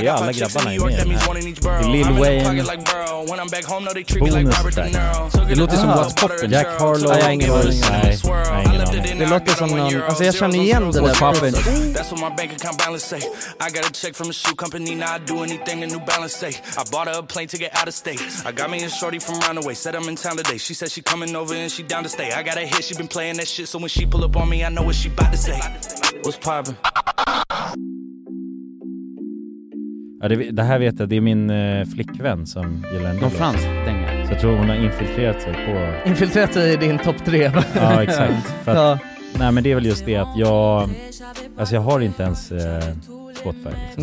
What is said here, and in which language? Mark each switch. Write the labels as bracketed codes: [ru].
[sv] Det är alla grabbarna i min. [en] Lil Wayne. Bonus track. [sv] Det låter som What's Poppin'. [en] Jack Harlow. [sv] Nej, ingen aning. Nej, ingen aning. Det låter som någon... Alltså jag känner igen det där. [en] What's Poppin'. That's what my bank account balance say. I got a check from a shoe company. Now I do anything a new balance say. I bought a plane to get out of state. I got me a shorty from Runaway, set him in town today. She said she coming over and she down to stay. I got a hit, she been playing that shit. So when she pull up on me, I know what she about to say. What's poppin'? [sv] Ja, det här vet jag, det är min flickvän som gillar en del. Så jag tror hon har infiltrerat sig på... Infiltrerat sig i din topp 3. Ja, exakt. För att, nej, men det är väl just det att jag... Alltså jag har inte ens... Spotify, liksom.